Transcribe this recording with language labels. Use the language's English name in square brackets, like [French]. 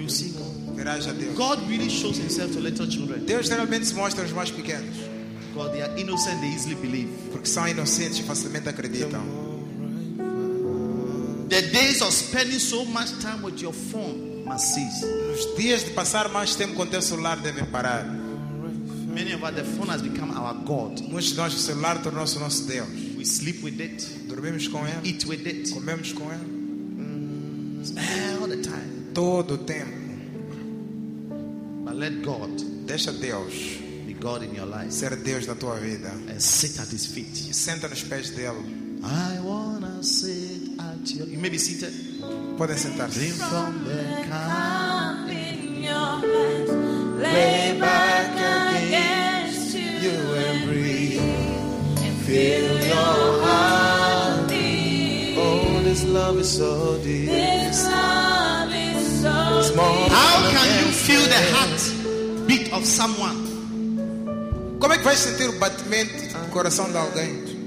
[English] You see God. [Portuguese] Verás a Deus. [English] God really shows himself to little children. [Portuguese] Deus realmente se mostra aos mais pequenos. [English] God, they are innocent, they easily believe. [Portuguese] Porque são inocentes e facilmente acreditam. [English] The days of spending so much time with your phone must cease. [Portuguese] Os dias de passar mais tempo com teu celular devem parar. [English] Many of us, the phone has become our God. [Portuguese] Muitos de nós, o celular tornou-se nosso Deus. [English] We sleep with it. [Portuguese] Dormimos com ele. [English] Eat with it. [Portuguese] Comemos com ele. [English] All the time. [Portuguese] Todo tempo. [English] But let God. [Portuguese] Deixa Deus. [English] Be God in your life. [Portuguese] Ser Deus na tua vida. [English] And sit at His feet. [Portuguese] E senta nos pés dele. [English] I wanna sit at your. You may be seated. [Portuguese] Podem sentar-se. [English] Drink from the cup in your hands. Lay back against you and breathe. And feel your heart beat. Oh, this love is so deep. This love is so deep. How can you feel the heart beat of someone? [Portuguese] Como é que vai sentir o batimento do coração de alguém?